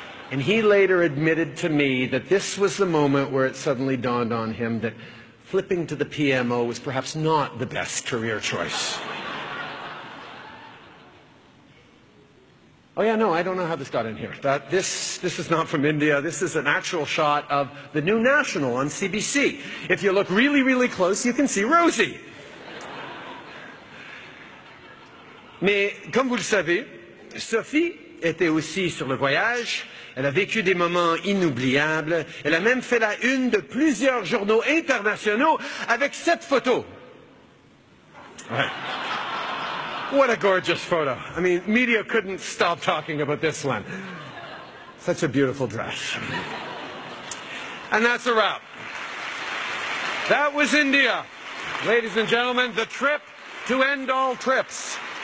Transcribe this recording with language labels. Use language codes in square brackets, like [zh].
[en] And he later admitted to me that this was the moment where it suddenly dawned on him that flipping to the PMO was perhaps not the best career choice. Oh yeah, no, I don't know how this got in here. This is not from India. This is an actual shot of the new National on CBC. If you look really, really close, you can see Rosie. [fr] Mais, comme vous le savez, Sophie était aussi sur le voyage. Elle a vécu des moments inoubliables. Elle a même fait la une de plusieurs journaux internationaux avec cette photo. Ouais. [en] What a gorgeous photo. I mean, media couldn't stop talking about this one. Such a beautiful dress. And that's a wrap. That was India. Ladies and gentlemen, the trip to end all trips.